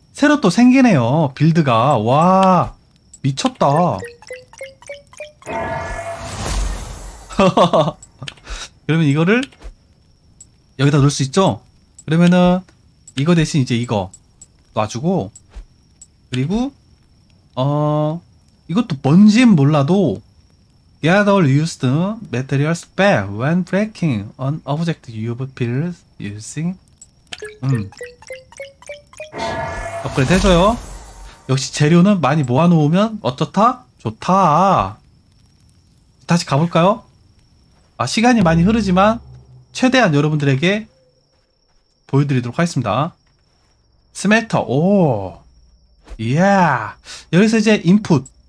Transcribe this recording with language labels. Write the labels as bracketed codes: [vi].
[ko] 새로 또 생기네요, 빌드가. 와, 미쳤다. 그러면 이거를 여기다 넣을 수 있죠? 그러면은 이거 대신 이제 이거 놔주고, 그리고 이것도 뭔진 몰라도 [en] Get all used materials back when breaking an object you've built using [ko] 업그레이드 해줘요. 역시 재료는 많이 모아놓으면 어떻다? 좋다. 다시 가볼까요? 아, 시간이 많이 흐르지만 최대한 여러분들에게 보여드리도록 하겠습니다. 스멜터. 오. 예. 여기서 이제 인풋.